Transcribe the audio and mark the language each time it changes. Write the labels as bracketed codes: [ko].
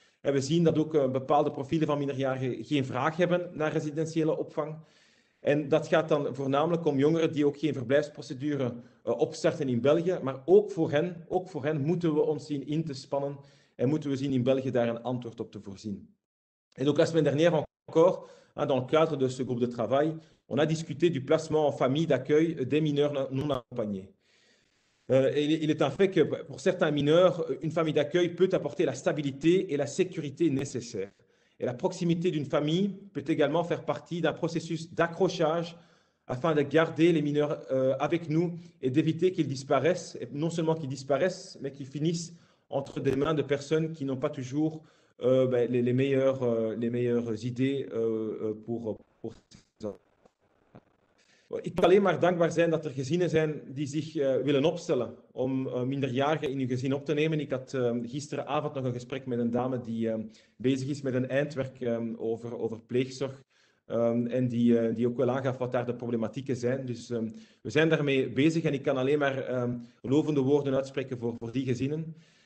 [nl] En we zien dat ook bepaalde profielen van minderjarigen geen vraag hebben naar residentiële opvang. En dat gaat dan voornamelijk om jongeren die ook geen verblijfsprocedure opstarten in België. Maar ook voor hen moeten we ons zien in te spannen en moeten we zien in België daar een antwoord op te voorzien. [fr] Et donc, la semaine dernière, encore, hein, dans le cadre de ce groupe de travail, on a discuté du placement en famille d'accueil des mineurs non accompagnés. Il est un fait que pour certains mineurs, une famille d'accueil peut apporter la stabilité et la sécurité nécessaires. Et la proximité d'une famille peut également faire partie d'un processus d'accrochage afin de garder les mineurs avec nous et d'éviter qu'ils disparaissent, et non seulement qu'ils disparaissent, mais qu'ils finissent entre des mains de personnes qui n'ont pas toujours les meilleures idées pour ces enfants. [nl] Ik kan alleen maar dankbaar zijn dat er gezinnen zijn die zich willen opstellen om minderjarigen in hun gezin op te nemen. Ik had gisteravond nog een gesprek met een dame die bezig is met een eindwerk over pleegzorg. En die ook wel aangaf wat daar de problematieken zijn. Dus we zijn daarmee bezig en ik kan alleen maar lovende woorden uitspreken voor die gezinnen.